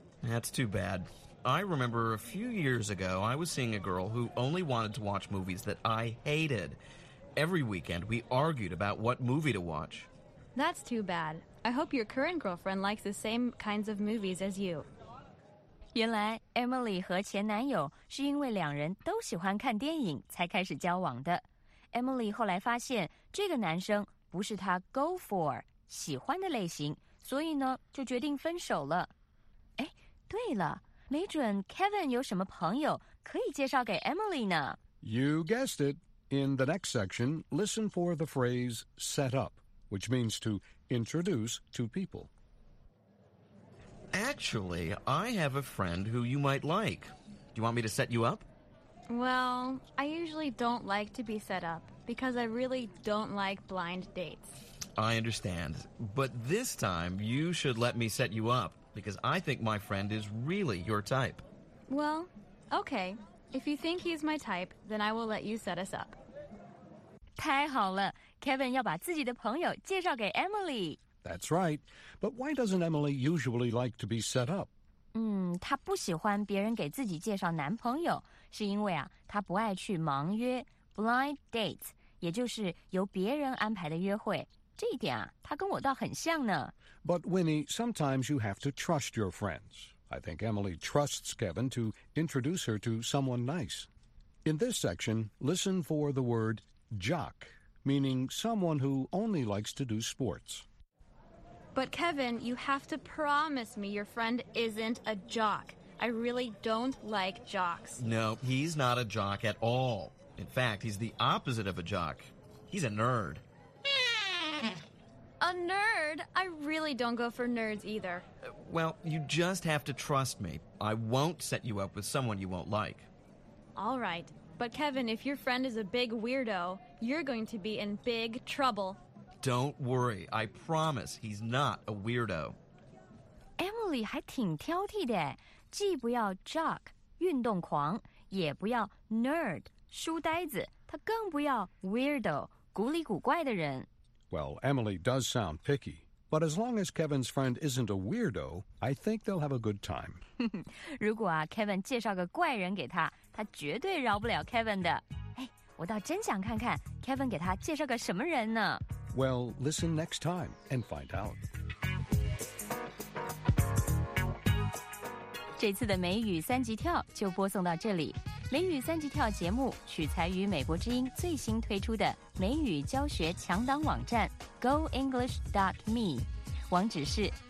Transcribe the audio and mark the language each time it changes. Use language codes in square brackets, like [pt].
[en] That's too bad. I remember a few years ago I was seeing a girl who only wanted to watch movies that I hated. Every weekend, we argued about what movie to watch. That's too bad. I hope your current girlfriend likes the same kinds of movies as you. [zh] 原来 Emily 和前男友是因为两人都喜欢看电影才开始交往的。 Emily 后来发现这个男生不是她 [en] go for, [zh] 喜欢的类型，所以呢，就决定分手了。哎，对了，没准 Kevin 有什么朋友可以介绍给 Emily 呢？ [en] You guessed it. In the next section, listen for the phrase set up, which means to introduce two people. Actually, I have a friend who you might like. Do you want me to set you up? Well, I usually don't like to be set up because I really don't like blind dates. I understand. But this time, you should let me set you up because I think my friend is really your type. Well, okay. If you think he's my type, then I will let you set us up. [zh] 太好了 ,Kevin 要把自己的朋友介绍给 Emily。 [en] That's right. But why doesn't Emily usually like to be set up? [zh] 她不喜欢别人给自己介绍男朋友，是因为啊，她不爱去盲约 , [en] blind dates, [zh] 也就是由别人安排的约会。这一点啊，她跟我倒很像呢。 [en] But Winnie, sometimes you have to trust your friends. I think Emily trusts Kevin to introduce her to someone nice. In this section, listen for the word... Jock, meaning someone who only likes to do sports. But Kevin, you have to promise me your friend isn't a jock. I really don't like jocks. No, he's not a jock at all. In fact, he's the opposite of a jock. He's a nerd. A nerd? I really don't go for nerds either. Well, you just have to trust me. I won't set you up with someone you won't like. All right. But Kevin, if your friend is a big weirdo, you're going to be in big trouble. Don't worry. I promise he's not a weirdo. [zh] Emily 还挺挑剔的，既不要 jock, 运动狂，也不要 nerd, 书呆子，她更不要 weirdo, 古里古怪的人。 [en] Well, Emily does sound picky. But as long as Kevin's friend isn't a weirdo, I think they'll have a good time. [zh] 如果啊 ,Kevin 介绍个怪人给他，他绝对饶不了 Kevin 的。哎，我倒真想看看 Kevin 给他介绍个什么人呢。 [en] Well, listen next time and find out. [zh] 这次的美语三级跳就播送到这里。美语三级跳节目取材于美国之音最新推出的美语教学强档网站 goenglish.me， 网址是